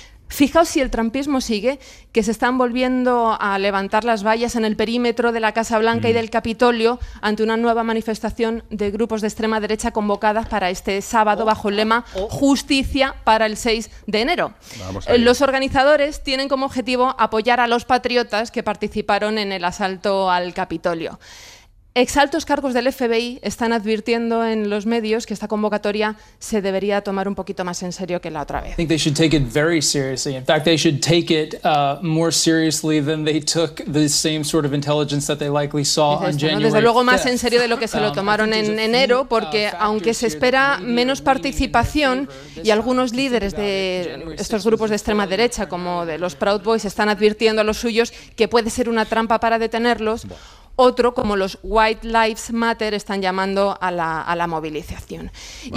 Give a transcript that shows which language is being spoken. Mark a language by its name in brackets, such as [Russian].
[Spanish] Fijaos si el trumpismo sigue, que se están volviendo a levantar las vallas en el perímetro de la Casa Blanca y del Capitolio ante una nueva manifestación de grupos de extrema derecha convocadas para este sábado bajo el lema Justicia para el 6 de enero. Los organizadores tienen como objetivo apoyar a los patriotas que participaron en el asalto al Capitolio. Exaltos cargos del FBI están advirtiendo en los medios que esta convocatoria se debería tomar un poquito más en serio que la otra vez. [English] I think they should take it very seriously. In fact, they should take it more seriously than they took the same sort of intelligence that they likely saw on January 5th. [Spanish] Desde luego más en serio de lo que se lo tomaron en enero, porque aunque se espera menos participación y algunos líderes de estos grupos de extrema derecha como de los Proud Boys están advirtiendo a los suyos que puede ser una trampa para detenerlos. Otro, como los White Lives Matter, están llamando a la movilización. Bueno.